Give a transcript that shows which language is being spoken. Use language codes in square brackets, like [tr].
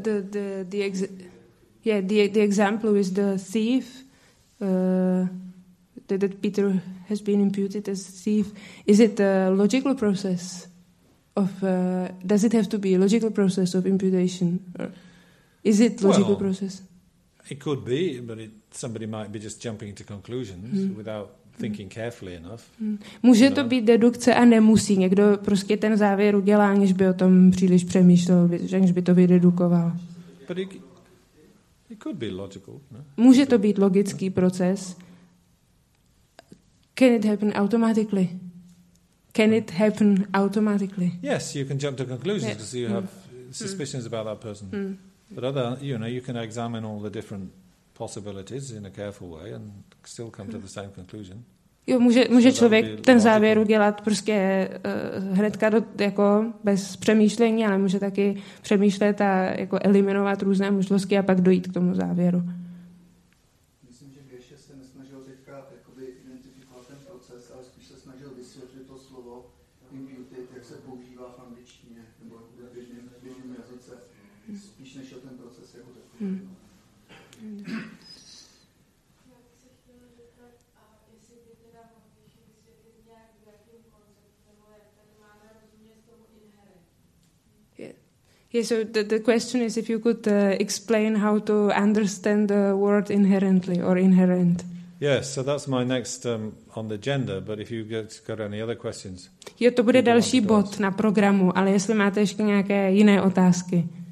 [en] The example is the thief that Peter has been imputed as a thief. Is it a logical process of does it have to be a logical process of imputation? Is it logical well, process? It could be, but somebody might be just jumping to conclusions without thinking carefully enough. [cs] Může to být dedukce a nemusí. Někdo prostě ten závěr udělá, aniž by o tom příliš přemýšlel, aniž by to vydedukoval. [en] But it could be logical, no? [cs] Může to být logický proces. [en] Can it happen automatically? Can it happen automatically? Yes, you can jump to conclusions because you have suspicions about that person. But other, you know, you can examine all the different possibilities in a careful way and still come to the same conclusion. [cs] Jo, může člověk ten závěr udělat prostě hnedka do, jako bez přemýšlení, ale může taky přemýšlet a jako eliminovat různé možnosti a pak dojít k tomu závěru. Myslím, že Geshe se nesnažil teďka jakoby identifikovat ten proces, ale spíš se snažil vysvětlit to slovo imputed, jak se používá v angličtině nebo v běžném jazyce. Spíš než o ten proces jako takový. [en] Yeah, so the question is if you could explain how to understand the word inherently or inherent. Yes, so that's my next on the agenda, but if you've got any other questions. [cs] Jo, to bude další bod na programu, ale jestli máte ještě nějaké jiné otázky.